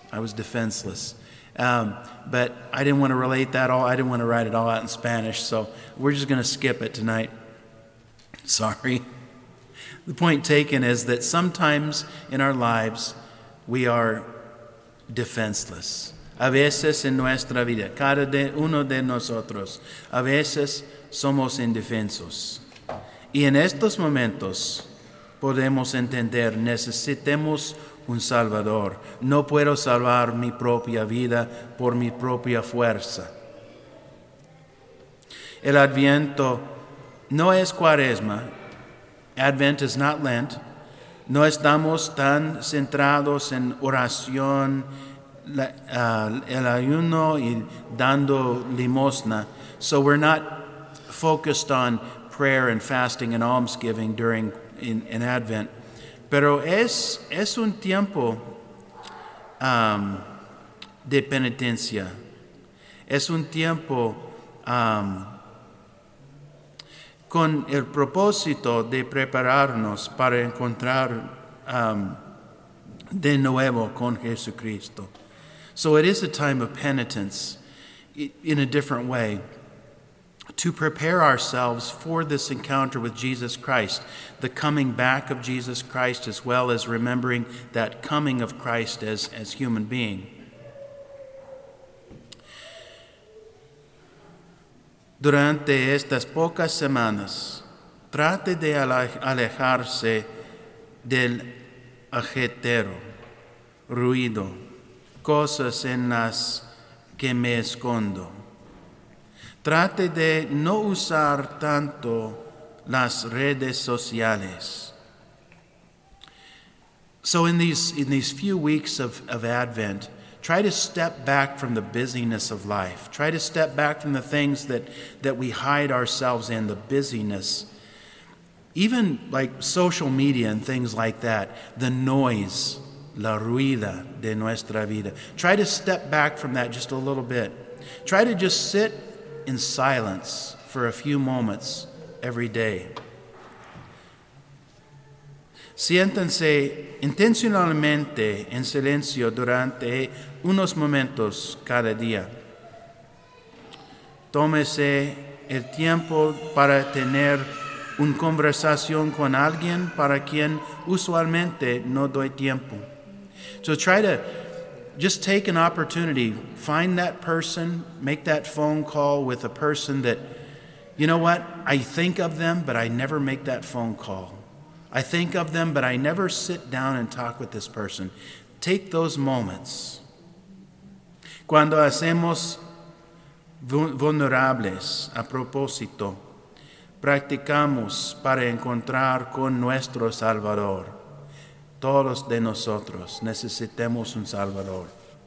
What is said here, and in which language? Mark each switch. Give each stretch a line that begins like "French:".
English: I was defenseless. But I didn't want to relate that all. I didn't want to write it all out in Spanish, so we're just going to skip it tonight. Sorry. The point taken is that sometimes in our lives we are defenseless.
Spanish: A veces en nuestra vida, cada uno de nosotros, a veces somos indefensos. Y en estos momentos podemos entender, necesitemos un Salvador. No puedo salvar mi propia vida por mi propia fuerza. El Adviento no es cuaresma.
English: Advent is not Lent.
Spanish: No estamos tan centrados en oración, el ayuno y dando limosna.
English: So we're not focused on prayer and fasting and almsgiving during in Advent.
Spanish: Pero es un tiempo de penitencia. Es un tiempo con el propósito de prepararnos para encontrar de nuevo con Jesucristo.
English: So it is a time of penitence in a different way, to prepare ourselves for this encounter with Jesus Christ, the coming back of Jesus Christ, as well as remembering that coming of Christ as human being.
Spanish: Durante estas pocas semanas, trate de alejarse del ajetero, ruido, cosas en las que me escondo. Trate de no usar tanto las redes sociales.
English: So in these few weeks of Advent, try to step back from the busyness of life. Try to step back from the things that we hide ourselves in, the busyness. Even like social media and things like that, the noise,
Spanish: la ruida de nuestra vida.
English: Try to step back from that just a little bit. Try to just sit in silence for a few moments every day.
Spanish: Siéntense intencionalmente en silencio durante unos momentos cada día. Tómese el tiempo para tener una conversación con alguien para quien usualmente no doy tiempo.
English: So try to just take an opportunity, find that person, make that phone call with a person that, you know what, I think of them, but I never make that phone call. I think of them, but I never sit down and talk with this person. Take those moments.
Spanish: Cuando hacemos vulnerables a propósito, practicamos para encontrar con nuestro Salvador. Todos de nosotros necesitamos un Salvador.